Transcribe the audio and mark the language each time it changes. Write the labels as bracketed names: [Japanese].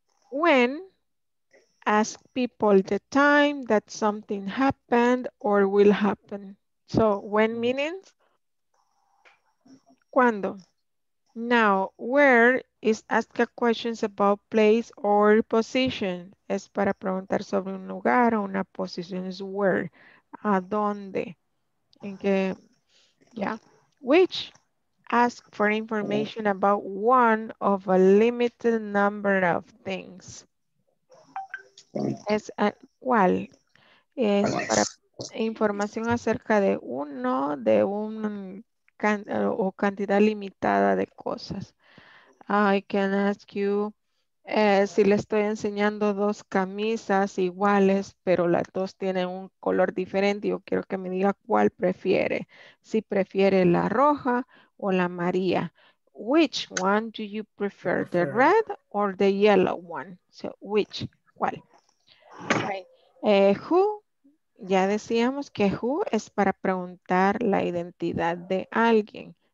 [English] When ask people the time that something happened or will happen. So, when meaning? ¿Cuándo? Now, where is ask a question about place or position. [Spanish] Es para preguntar sobre un lugar o una posición. Es where. ¿A dónde? ¿En qué? Yeah. Which? [English] Ask for information about one of a limited number of things. [Spanish] Es ¿cuál? Es para información acerca de uno, de un cantidad limitada de cosas. [English] I can ask you [Spanish] Si le estoy enseñando dos camisas iguales, pero las dos tienen un color diferente, yo quiero que me diga cuál prefiere. Si prefiere la roja o la amarilla. [English] Which one do you prefer, the red or the yellow one? [Spanish] So, which, cuál. Right. Who, ya decíamos que who es para preguntar la identidad de alguien.